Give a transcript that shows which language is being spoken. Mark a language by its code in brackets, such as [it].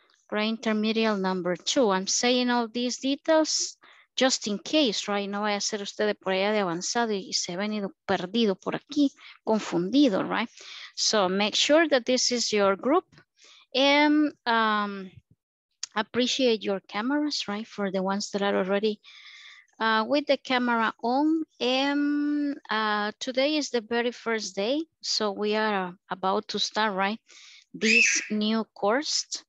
[en] Pre-intermediate number 2. I'm saying all these details just in case, right? [es] No vaya a ser usted de por allá de avanzado y se ha venido perdido por aquí, confundido, right? [en] So make sure that this is your group. And appreciate your cameras, right? For the ones that are already with the camera on. And today is the very first day. So we are about to start, right? This new course.